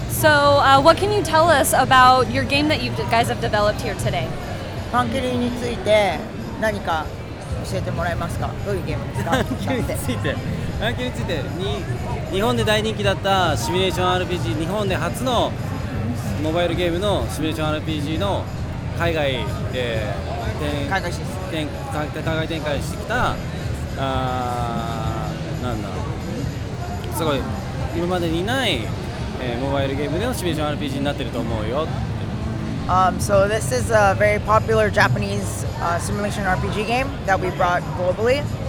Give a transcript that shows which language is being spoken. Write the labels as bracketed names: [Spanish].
[English] So what can you tell us about your game that you guys have developed here today? [Japanese] パンキリについて何か教えてもらえますか？どういうゲームですか？パンキリについて、日本で大人気だったシミュレーション RPG、日本で初のモバイルゲームのシミュレーション RPG の海外で海外展開してきた、なんだ、すごい今までにない、モバイルゲームでのシミュレーション RPG になってると思うよ。 [English] So this is a very popular Japanese simulation RPG game that we brought globally.